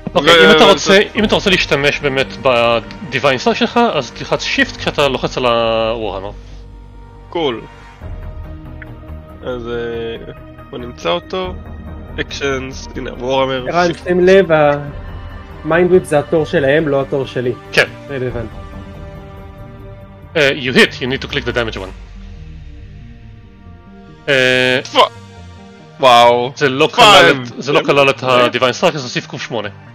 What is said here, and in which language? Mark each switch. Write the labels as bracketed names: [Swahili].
[Hebrew] אוקיי, אם אתה רוצה, אם אתה רוצה להשתמש באמת בדיווין סטאר שלך, אז תלחץ שיפט כשאתה לוחץ על הוורהמר. קול. אז בוא נמצא אותו. אקשנס, הנה וורהמר. רן, שים לב, המיינדוויפ זה התור שלהם, לא התור שלי. כן. רלוונטי. [English] You hit, you need to click the damage one. [Hebrew] וואו. זה לא כלל את ה-Divine Strike, אז הוסיף קוף 8.